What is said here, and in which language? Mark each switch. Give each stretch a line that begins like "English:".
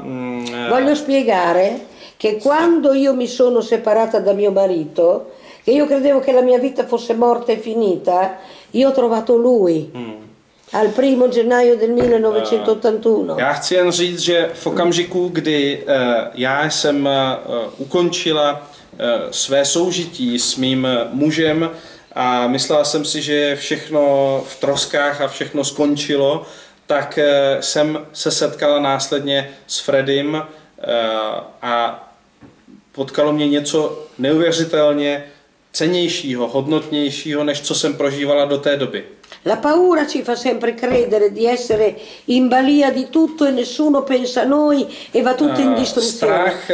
Italian: Voglio spiegare che quando io mi sono separata da mio marito, che io credevo che la mia vita fosse morta e finita. Io ho trovato lui al primo gennaio del 1981.
Czech: Já chci jen říct, že v okamžiku, kdy já jsem ukončila své soužití s mým mužem a myslela jsem si, že všechno v troskách a všechno skončilo, tak jsem se setkala následně s Fredym a potkalo mě něco neuvěřitelně cennějšího, hodnotnějšího, než co jsem prožívala do té doby.
Italian: La paura ci fa sempre credere di essere in balia di tutto e nessuno pensa a noi e va tutto in distruzione.